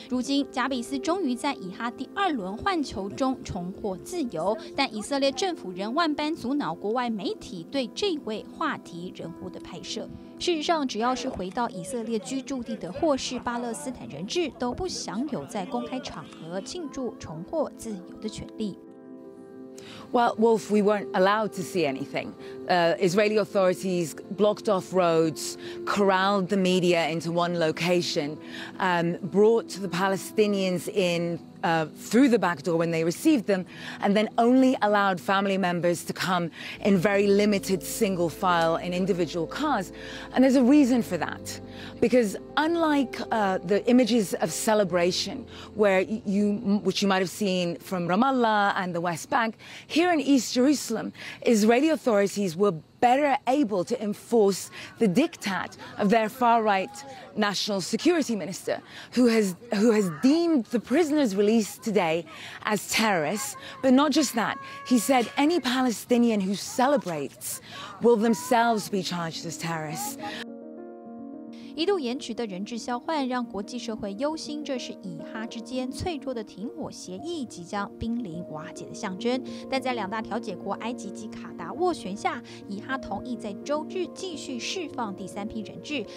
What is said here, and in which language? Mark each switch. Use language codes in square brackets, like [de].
[zh] 如今，贾比斯终于在以哈第二轮换球中重获自由，但以色列政府仍万般阻挠国外媒体对这位话题人物的拍摄。事实上，只要是回到以色列居住地的或是巴勒斯坦人质，都不享有在公开场合庆祝重获自由的权利。 [en] Well, Wolf, we weren't allowed to see anything. Israeli authorities blocked off roads, corralled the media into one location, brought the Palestinians in through the back door when they received them, and then only allowed family members to come in very limited single file in individual cars. And there's a reason for that. Because unlike the images of celebration, which you might have seen from Ramallah and the West Bank, here in East Jerusalem, Israeli authorities were better able to enforce the diktat of their far-right national security minister, who has deemed the prisoners released today as terrorists. But not just that, he said any Palestinian who celebrates will themselves be charged as terrorists. [zh] 一度延迟的人质交换让国际社会忧心，这是以哈之间脆弱的停火协议即将濒临瓦解的象征。但在两大调解国埃及及卡达斡旋下，以哈同意在周日继续释放第三批人质。